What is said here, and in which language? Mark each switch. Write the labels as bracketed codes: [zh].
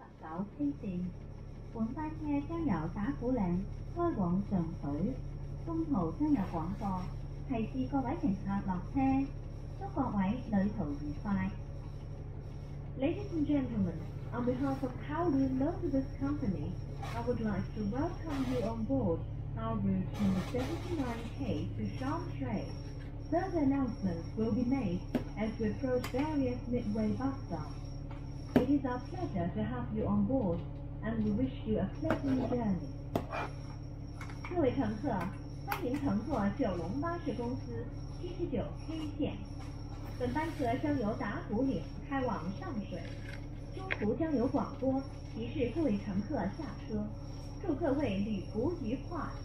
[zh] 口飞线，本班车将由打鼓岭开往上水，中途将有广播提示各位乘客落车，祝各位旅途愉快。 [en] Ladies and gentlemen, on behalf of Kowloon Motorbus Company, I would like to welcome you on board our route number 79K to Shantrae. Further announcements will be made as we approach various midway bus stops. It is our pleasure to have you on board, and we wish you a pleasant journey. [zh] 各位乘客，欢迎乘坐九龙巴士公司79K线。本班车将由打鼓岭开往上水，中途将有广播提示各位乘客下车，祝各位旅途愉快。